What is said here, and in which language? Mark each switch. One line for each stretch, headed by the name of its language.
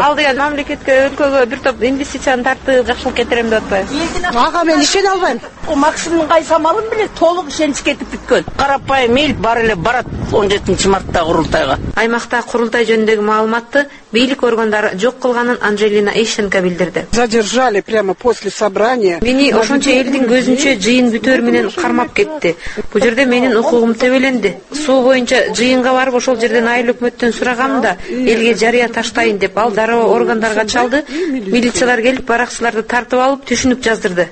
Kyrgyz: Ал деген мамлекетке, өлкөгө бир топ инвестицияны тартып, жакшылык кетирем деп атпайбы? Ага, мен ишене албайм. Максимум кайса малын биле толук ишенич кетип бүткөн. Карапайым эл бар эле барат 17 мартта курултайга. Аймакта курултай жөнүндөгү маалыматты бийлик органдары жок кылганын Анжелина Эшенко билдирди.
Russian: Задержали прямо после собрания.
Kyrgyz: Мени ошончо элдин көзүнчө жыйын бүтөр менен кармап кетти. Бул жерде менин укугум тебеленди. Суу боюнча жыйынга барып ошол жерден айыл өкмөттөн сурагам да элге жарыя таштайын деп ал дароо органдарга чалды. Милициялар келип баракчыларды тартып алып түшүнүп жаздырды.